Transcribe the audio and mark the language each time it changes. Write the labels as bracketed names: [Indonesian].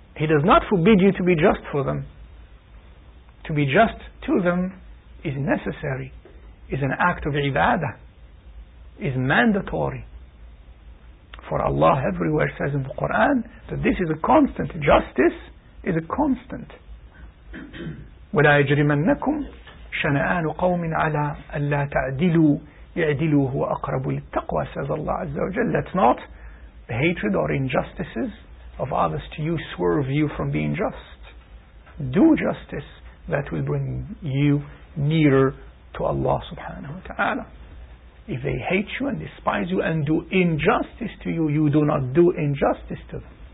[English] He does not forbid you to be just for them. To be just to them is necessary, is an act of ibadah, is mandatory. For Allah everywhere says in the Quran that this is a constant. Justice is a constant. [Arabic] وَلَا يَجْرِمَنَّكُمْ شَنَآنُ قَوْمٍ عَلَىٰ أَلَّا تَعْدِلُوا يَعْدِلُوا هُوَ أَقْرَبُ لِلتَّقْوَىٰ, [English] says Allah Azza wa Jalla. Let not the hatred or injustices of others to you swerve you from being just. Do justice, that will bring you nearer to Allah subhanahu wa ta'ala. If they hate you and despise you and do injustice to you, you do not do injustice to them.